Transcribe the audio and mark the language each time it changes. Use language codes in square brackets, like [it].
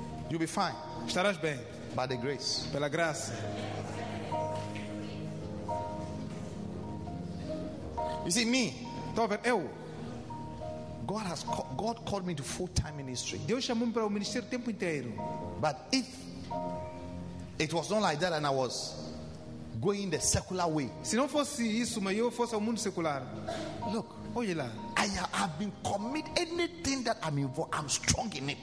[en] You'll be fine. [pt] Estarás bem. [en] By the grace. [pt] Pela graça. [en] You see me? [pt] Então, eu. [en] God called me to full-time ministry. [pt] Deus chamou-me para o ministério tempo inteiro. [en] But if it was not like that and I was going the secular way. [pt] Se não fosse isso, mas eu fosse ao mundo secular. [en] Look, [pt] olha lá. [en] I have been committed. Anything that I'm involved, I'm strong in it.